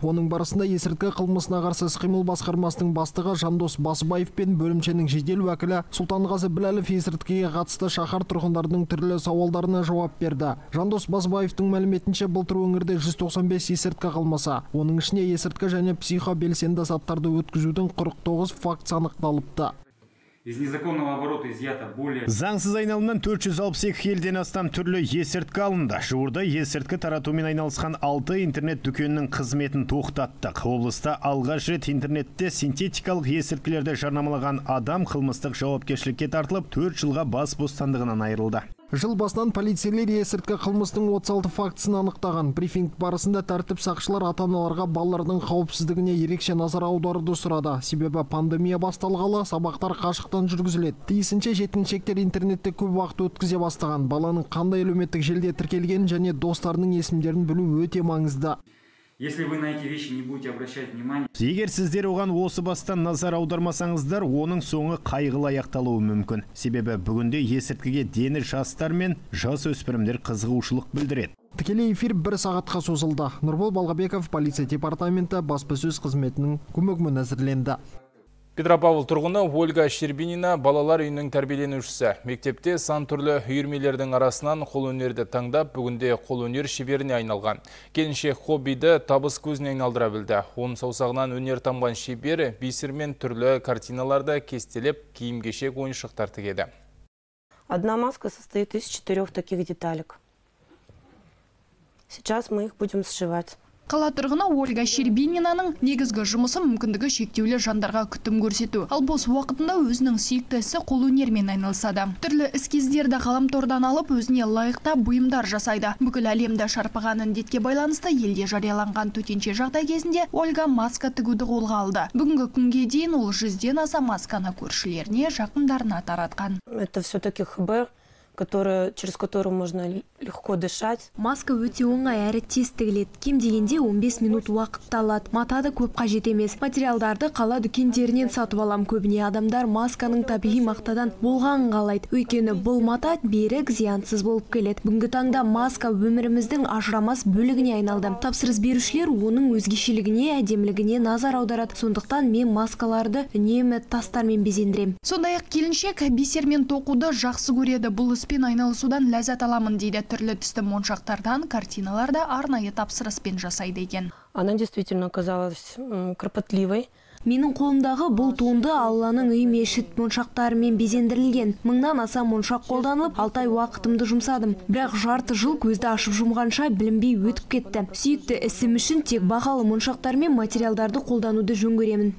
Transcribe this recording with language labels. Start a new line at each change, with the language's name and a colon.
Kazakh: Оның барысында есірткі қылмысына қарсы іс-қимыл басқармасының бастығы Жандос Басыбаев пен бөлімшенің жедел уәкілі Сұлтанғазы Біләлов есірткіге қатысты шаһар тұрғындарының түрлі сауалдарына жауап берді. Жандос Басыбаевтың мәліметінше былтыр өңірде 195 есірткі қылмысы, оның ішінде есірткі және психобелсенді заттарды өткізудің 49 факт анықталыпты.
Russian: Из незаконного оборота изъято более...
Kazakh: Заңсыз айналымнан 468 елден астам түрлі есірткі алынды. Жуырда есірткі таратумен айналысқан 6 интернет дүкенінің қызметін тоқтаттық. Облыста алғаш рет интернетте синтетикалық есірткілерді жарнамалаған адам қылмыстық жауапкершілікке тартылып, 4 жылға бас бостандығынан айырылды. Жыл басынан полицейлер есірткі қылмыстың 36 фактісін анықтаған. Брифинг барысында тәртіп сақшылар ата-аналарға балалардың қауіпсіздігіне ерекше назар аударуды сұрады. Себебі пандемия басталғалы сабақтар қашықтан жүргізіледі. Тиісінше жеткіншектер интернетте көп уақыт өткізе бастаған. Баланың қандай әлеуметтік желіде тіркелгенін және достарының есімдерін білу өте маңызды.
Russian: Если вы на эти вещи не будете обращать внимание,
Kazakh: егер сіздер оған осы бастан назар аудармасаңыздар, оның соңы қайғылы аяқталуы мүмкін. Себебі бүгінде есірткіге дені жастар мен жас өспірімдер қызығушылық білдіреді. Тікелей эфир бір сағатқа созылды. Нұрбол Балғабеков, полиция департаменті баспасөз қызметінің көмегімен әзірленді. Петропавл тұрғыны Ольга Щербинина балалар үйінің тәрбиеленушісі. Мектепте сан түрлі үйірмелердің арасынан қол өнерді таңдап, бүгінде қол өнер шеберіне айналған. Келінше хоббиді табыс көзіне айналдыра білді. Оның саусағынан өнер тамған шебер бисермен түрлі картиналарды кестелеп, киім-кешек ойыншықтар тігеді.
Russian: Одна маска состоит из четырех таких деталек. Сейчас мы их будем сшивать.
Kazakh: Қала тұрғына Ольга Щербининаның негізгі жұмысы мүмкіндігі шектеулі жандарға күтім көрсету. Ал бос уақытында өзінің сүйікті ісі қолөнермен айналысады. Түрлі эскиздерді ғаламтордан алып, өзіне лайықта бұйымдар жасайды. Бүкіл әлемді шарпыған індетке байланысты елде жарияланған төтенше жағдай кезінде Ольга маска тігуді қолға алды. Бүгінгі күнге дейін ол 100-ден аса масканы көршілеріне, жақындарына таратқан.
Russian: Это все-таки ХБР. Которая, через которую можно легко дышать.
Kazakh: Маска өте оңай әрі тез тігіледі. Кем дегенде 15 минут уақыт талады. Матады көп қажет емес. Материалдарды қала дүкендерінен сатып алам. Көбіне адамдар масканың табиғи мақтадан болғанын қалайды. Өйткені бұл мата берік зиянсыз болып келеді. Бүгінгі таңда маска өміріміздің ажырамас бөлігіне айналды. Тапсырыс берушілер оның өзгешелігіне, әдемілігіне назар аударады. Сондықтан мен маскаларды үнемі тастармен безендірем. Сондай-ақ келіншек бисермен тоқуды жақсы көреді. Бұл спин айналысудан ләззат аламын дейді. Түрлі түсті моншақтардан картиналарды арнайы тапсырыспен жасайды екен.
Russian: Она действительно оказалась кропотливой.
Kazakh: Менің қолымдағы бұл туынды Алланың үй мешіт моншақтарымен безендірілген. Мыңнан аса моншақ қолданылып, алтай уақытымды жұмсадым. Бірақ жарты жыл көзді ашып жұмғанша білімбей өтіп кетті. Сүйікті ісім үшін тек бағалы моншақтар мен материалдарды қолдануды жөн көремін.